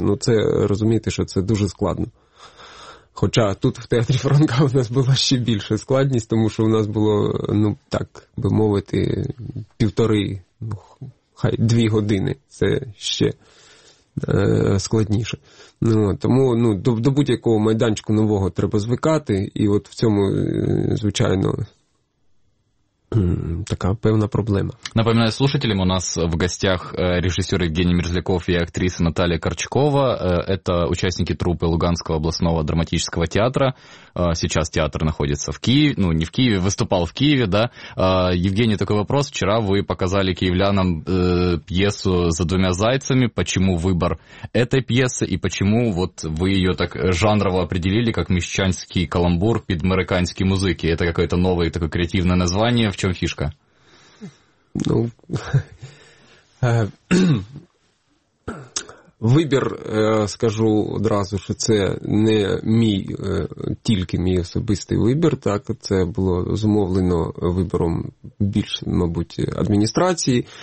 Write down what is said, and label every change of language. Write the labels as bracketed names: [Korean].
[Ukrainian] Ну, це, розумієте, що це дуже складно. Хоча тут, в театрі Франка, у нас була ще більша складність, тому що у нас було, ну, так би мовити, півтори, хай 2 години, це ще складніше. Ну, тому, ну, до будь-якого майданчику нового треба звикати, і от в цьому, звичайно, така певна проблема. [Russian] Напоминаю слушателям, у нас в гостях режиссер Евгений Мерзляков и актриса Наталья Корчакова. Это участники труппы Луганского областного драматического театра. Сейчас театр находится в Киеве, ну, не в Киеве, выступал в Киеве, да. Евгений, такой вопрос. Вчера вы показали киевлянам пьесу «За двумя зайцами». Почему выбор этой пьесы и почему вот вы ее так жанрово определили, как мещанский каламбур под американские музыки? Это какое-то новое такое креативное название. В чем фишка? [Ukrainian] Ну, вибір, скажу одразу, що це не мій, тільки мій особистий вибір, так, це було зумовлено вибором більш, мабуть, адміністрації.